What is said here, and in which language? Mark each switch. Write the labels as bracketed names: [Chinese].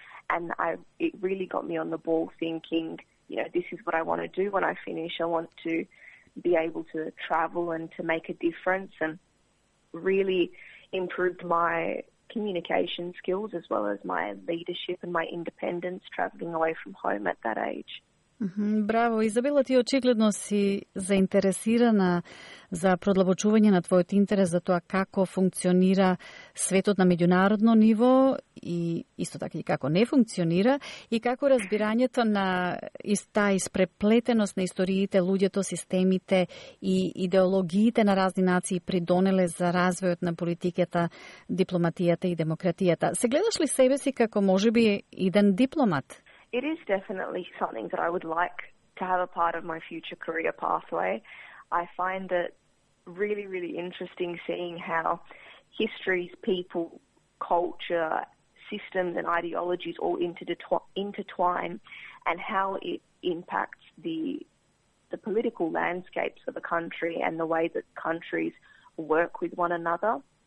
[English] And it really got me on the ball thinking, you know, this is what I want to do when I finish. I want to be able to travel and to make a difference, and really improved my communication skills as well as my leadership and my independence traveling away from home at that age. [Macedonian] Браво, Изабела, ти очигледно си заинтересирана за продлабочување на твојот интерес за тоа како функционира светот на меѓународно ниво и исто така и како не функционира и како разбирањето на иста испреплетеност на историите, луѓето, системите и идеологиите на разни нации придонеле за развојот на политиката, дипломатијата и демократијата. Се гледаш ли себе си како можеби еден дипломат? [English] It is definitely something that I would like to have a part of my future career pathway. I find it really, really interesting seeing how histories, people, culture, systems and ideologies all intertwine and how it impacts the political landscapes of a country and the way that countries work with one another.